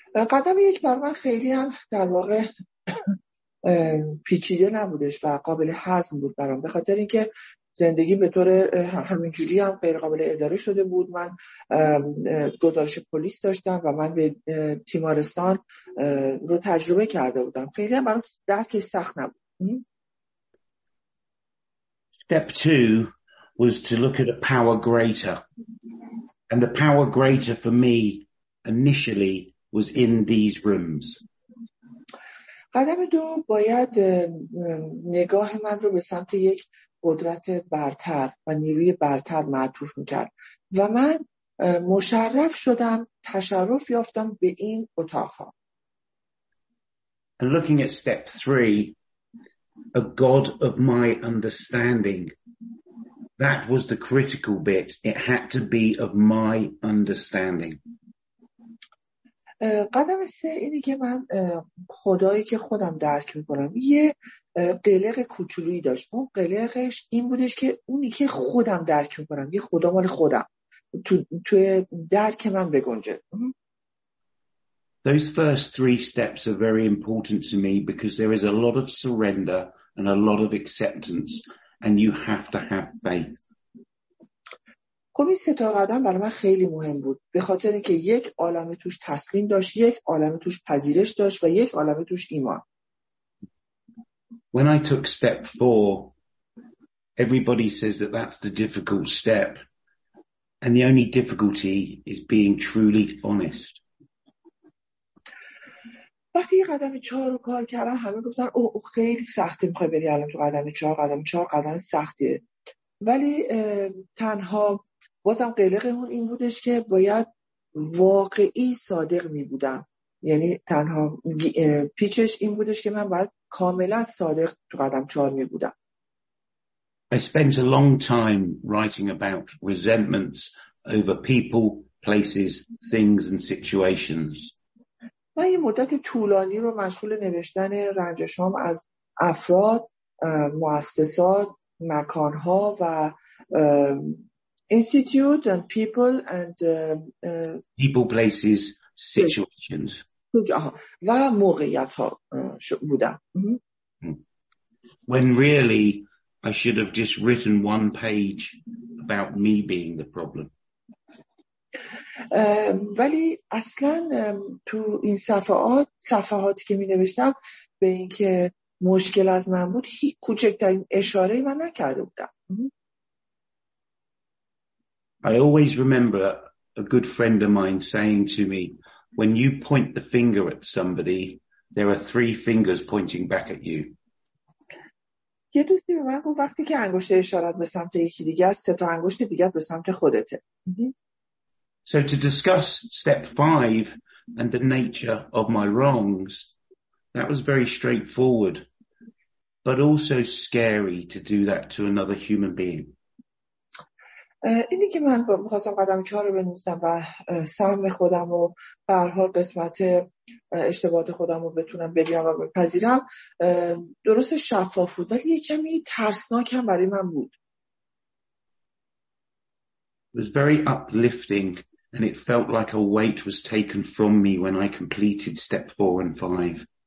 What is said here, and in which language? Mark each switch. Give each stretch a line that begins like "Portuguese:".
Persian: قدم یک برای من خیلی هم در واقع پیچیده نبودش و قابل هضم بود برام، به خاطر اینکه زندگی به طور همینجوری هم غیر قابل اداره شده بود. من گزارش پلیس داشتم و من به تیمارستان رو تجربه کرده بودم. خیلی هم برام درکش سخت نبود.
English: Step two was to look at a power greater. And the power greater for me initially was in these rooms.
Persian: قدم دو باید نگاه من رو به سمت یک قدرت برتر و نیروی برتر معطوف می‌کرد و من مشرف شدم، تشرف یافتم به این اتاق‌ها.
English: And looking at step 3, a God of my understanding. That was the critical bit. It had to be of my understanding.
Persian: قدم سه اینی که من خدایی که خودم درک میکنم، یه قلق کوچولویی داشت. اون قلقش این بودش که اونی که خودم درک میکنم، یه خدا مال خودم تو درک من بگنجه.
English: Those first three steps are very important to me because there is a lot of surrender and a lot of acceptance and you have to have faith.
Persian: خب این سه تا قدم برای من خیلی مهم بود، به خاطر اینکه یک عالمه توش تسلیم داشت، یک عالمه توش پذیرش داشت و یک عالمه توش ایمان.
English: When I took step 4, everybody says that that's the difficult step and the only difficulty is being truly honest.
Persian: وقتی قدم 4 رو کار کردم همه گفتن اوه خیلی سخته، میخوای بری الان تو قدم 4؟ قدم 4 قدم سختیه. ولی تنها بازم قلقمون این بودش که باید واقعی صادق می بودم، یعنی تنها پیچش این بودش که من باید کاملا صادق تو قدم 4 می بودم.
English: I spent a long time writing about resentments over people, places, things and situations.
Persian: من یه مدت طولانی رو مشغول نوشتن رنجشام از افراد، مؤسسات، مکانها و institute and people and
English: people places situations
Persian: و موقعیت ها بودم.
English: When really I should have just written one page about me being the problem.
Persian: ولی اصلا تو این صفحاتی که می نوشتم به اینکه مشکل از من بود هیچ کوچکترین اشاره ای من نکرده بودم.
English: I always remember a good friend of mine saying to me, when you point the finger at somebody, there are 3 fingers pointing back at you.
Persian: یه دوستی به من گفت وقتی که انگشت اشارت به سمت یکی دیگه است، 3 تا انگشت دیگه به سمت خودته.
English: So to discuss step 5 and the nature of my wrongs, that was very straightforward, but also scary to do that to another human being.
Persian: اینی که من می‌خواستم قدم 4 رو بنویسم و سهم خودم رو به هر حال قسمت اشتباهات خودم رو بتونم بگیرم و بپذیرم، درست شفاف بود ولی یکمی ترسناک هم برای من بود.
English: It was very uplifting and it felt like a weight was taken from me when I completed step 4 and 5.